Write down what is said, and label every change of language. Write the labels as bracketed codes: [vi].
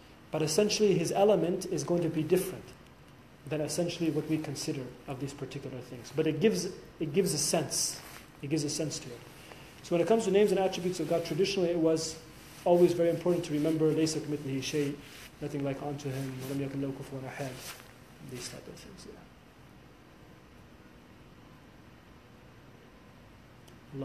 [en] But essentially his element is going to be different than essentially what we consider of these particular things. But it gives a sense. It gives a sense to it. So when it comes to names and attributes of God, traditionally it was always very important to remember [ar] لَيْسَ كَمِثْلِهِ شَيْءٍ. [en] Nothing like unto him, [ar] وَلَمْ يَكُنْ لَهُ كُفُوًا أَحَدٌ. [en] These type of things, yeah.